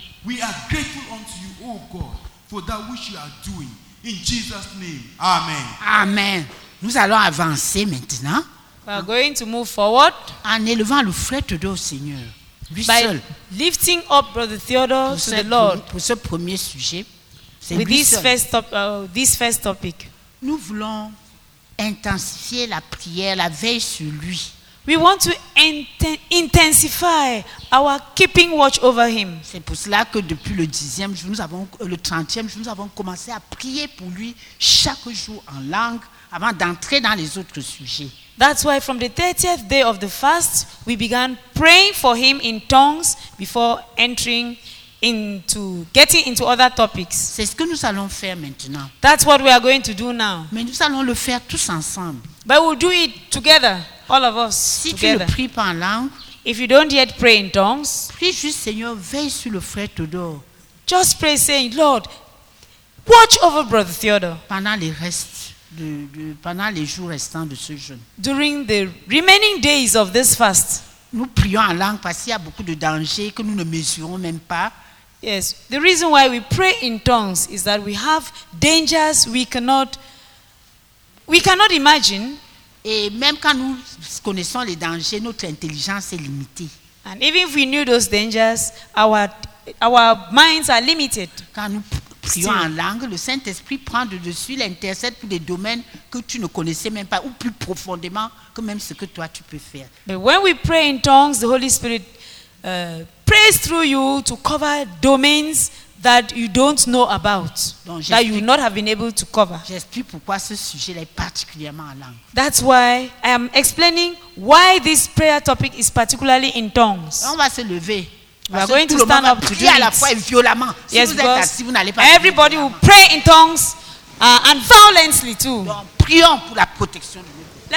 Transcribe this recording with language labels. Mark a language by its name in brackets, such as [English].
[English] We are grateful unto you, oh God, for that which you are doing. In Jesus' name, Amen. Amen. [French] Nous allons avancer maintenant. [English] We are going to move forward. [French] En élevant le frère de Dieu, Seigneur. [English] By lifting up Brother Theodore to the Lord. [French] Pour ce premier sujet, c'est [English] with this first topic, [French] nous voulons intensifier la prière, la veille sur lui. [English] We want to intensify our keeping watch over him. [French] C'est pour cela que depuis le 10e jour, le 30e jour, nous avons commencé à prier pour lui chaque jour en langue avant d'entrer dans les autres sujets. [English] That's why from the 30th day of the fast, we began praying for him in tongues before entering into, getting into other topics. [French] C'est ce que nous allons faire maintenant. [English] That's what we are going to do now. [French] Mais nous allons le faire tous ensemble. [English] But we'll do it together, all of us, [French] si [English] together. [French] Tu ne pries pas en langue, [English] if you don't yet pray in tongues, [French] prie juste, Seigneur, veille sur le frère Théodore. [English] Just pray saying, Lord, watch over Brother Theodore. [French] Pendant les restes. Pendant les jours restants de ce jeûne. [English] During the remaining days of this fast, [French] nous prions en langue parce qu'il y a beaucoup de dangers que nous ne mesurons même pas. [English] Yes, the reason why we pray in tongues is that we have dangers we cannot imagine. [French] Et même quand nous connaissons les dangers, notre intelligence est limitée. [English] And even if we knew those dangers, our minds are limited. [French] Quand nous prions en langue, le Saint-Esprit prend de dessus l'intercède pour des domaines que tu ne connaissais même pas ou plus profondément que même ce que toi tu peux faire. [English] But when we pray in tongues, the Holy Spirit prays through you to cover domains that you don't know about, [French] donc, [English] that you would not have been able to cover. [French] J'explique pourquoi ce sujet est particulièrement en langue. [English] That's why I am explaining why this prayer topic is particularly in tongues. [French] On va se lever. [English] We are going to stand up to do it. [French] À la fois violemment. Si [English] yes, [French] vous êtes assis, vous n'allez pas. [English] Everybody will pray in tongues and violently too. [French] Donc, prions pour la protection de nous.